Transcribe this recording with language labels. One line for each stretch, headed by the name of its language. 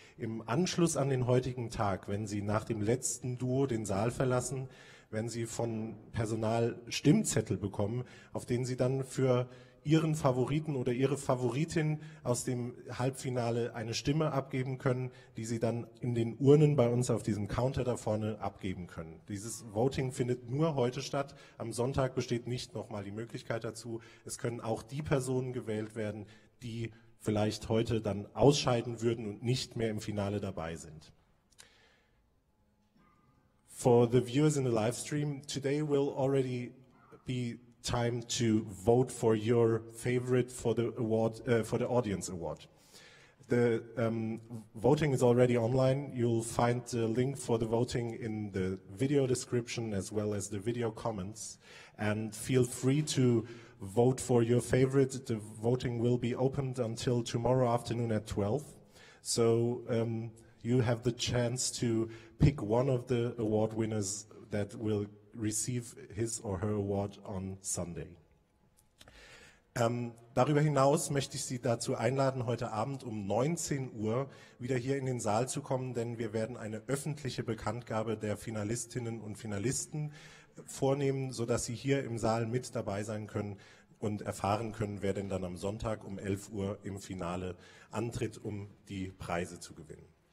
German: Im Anschluss an den heutigen Tag, wenn Sie nach dem letzten Duo den Saal verlassen, werden Sie von Personal Stimmzettel bekommen, auf denen Sie dann für Ihren Favoriten oder Ihre Favoritin aus dem Halbfinale eine Stimme abgeben können, die Sie dann in den Urnen bei uns auf diesem Counter da vorne abgeben können. Dieses Voting findet nur heute statt. Am Sonntag besteht nicht nochmal die Möglichkeit dazu. Es können auch die Personen gewählt werden, die vielleicht heute dann ausscheiden würden und nicht mehr im Finale dabei sind.
English: For the viewers in the live stream, today will already be time to vote for your favorite for the award, for the audience award. The voting is already online. You'll find the link for the voting in the video description as well as the video comments. And feel free to vote for your favorite. The voting will be opened until tomorrow afternoon at 12. So you have the chance to pick one of the award winners that will receive his or her award on Sunday.
German: Darüber hinaus möchte ich Sie dazu einladen, heute Abend um 19 Uhr wieder hier in den Saal zu kommen, denn wir werden eine öffentliche Bekanntgabe der Finalistinnen und Finalisten vornehmen, sodass Sie hier im Saal mit dabei sein können und erfahren können, wer denn dann am Sonntag um 11 Uhr im Finale antritt, um die Preise zu gewinnen.